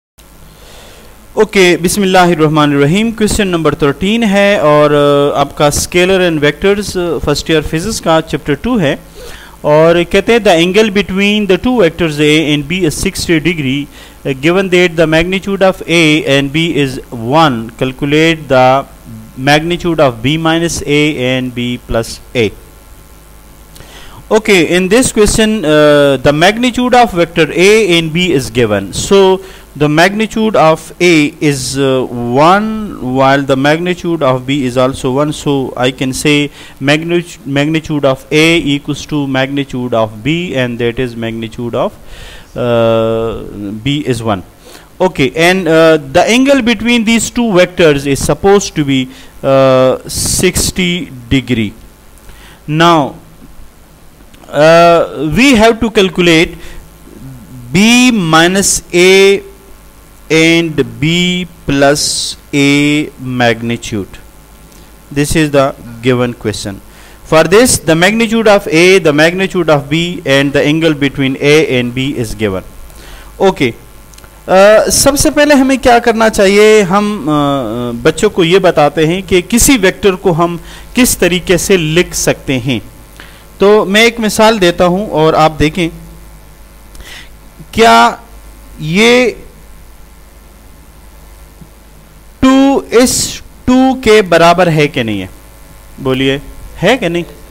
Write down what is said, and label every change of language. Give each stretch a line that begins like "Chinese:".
Urdu: Okay بسم اللہ الرحمن الرحیم. کوسچن نمبر 13 ہے اور آپ کا scalar and vectors first year physics کا چیپٹر 2 ہے.
English: اور کہتے ہیں the angle between the two vectors A and B is 60 degree, given that the magnitude of A and B is 1, calculate the magnitude of B minus A and B plus A. Okay, in this question the magnitude of vector A and B is given. So the magnitude of A is 1 while the magnitude of B is also 1, so I can say magnitude of A equals to magnitude of B, and that is magnitude of B is 1. Okay, and the angle between these two vectors is supposed to be 60 degree. Now we have to calculate B minus A and B plus A magnitude. This is the given question. For this, the magnitude of A, the magnitude of B, and the angle between A and B is given.
Urdu: Okay, سب سے پہلے ہمیں کیا کرنا چاہیے, ہم بچوں کو یہ بتاتے ہیں کہ کسی ویکٹر کو ہم کس طریقے سے لکھ سکتے ہیں. تو میں ایک مثال دیتا ہوں اور آپ دیکھیں کیا یہ 2 اس 2 کے برابر ہے کہ نہیں ہے, بولیے ہے کہ نہیں.